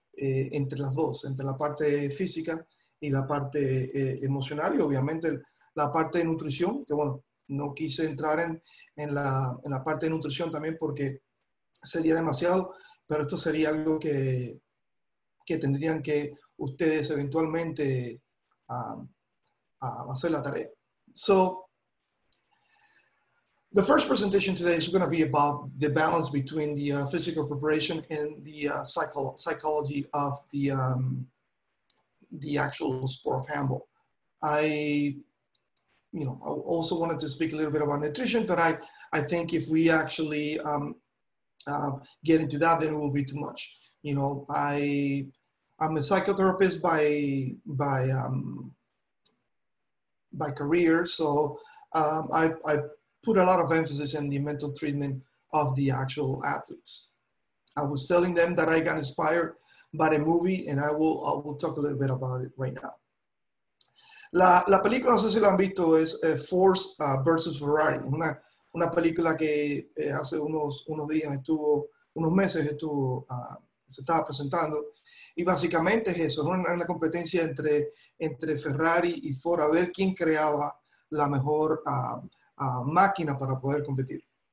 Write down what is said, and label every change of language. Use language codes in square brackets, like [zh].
[es] entre las dos, entre la parte física y la parte emocional, y obviamente la parte de nutrición, que bueno, no quise entrar en la parte de nutrición también porque sería demasiado, pero esto sería algo que tendrían que ustedes eventualmente hacer la tarea. [en] So, the first presentation today is going to be about the balance between the physical preparation and the psychology of the actual sport of handball. I also wanted to speak a little bit about nutrition, but I think if we actually get into that, then it will be too much. You know, I'm a psychotherapist by career, so I put a lot of emphasis in the mental treatment of the actual athletes. I was telling them that I got inspired by a movie, and I will talk a little bit about it right now. [es] La película, no sé si la han visto, es Force versus Ferrari, una película que hace unos meses estuvo se estaba presentando. Y básicamente es eso, era una competencia entre Ferrari y Ford, a ver quién creaba la mejor máquina para poder competir.